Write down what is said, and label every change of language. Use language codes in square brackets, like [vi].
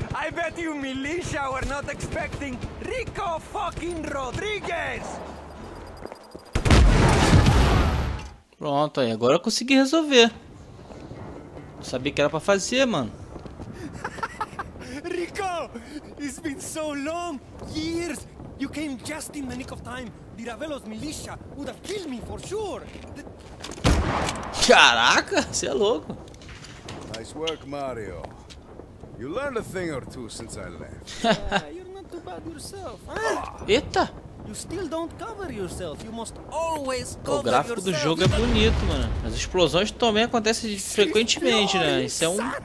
[en] I bet you militia were not expecting Rico fucking Rodriguez! [pt] Pronto aí, agora eu consegui resolver. Não sabia que era pra fazer, mano. [en] Rico! It's been so long, years! You came just in the nick of time. The Ravelo's militia would have killed me for sure. [pt] Caraca, você é louco. [en] Nice work, Mario. You learned a thing or two since I left. You're not too bad yourself, huh? [pt] Eita! [en] You still don't cover yourself. You must always cover yourself. [pt] O gráfico do jogo é bonito, mano. As explosões também acontecem frequentemente, né? Isso é um.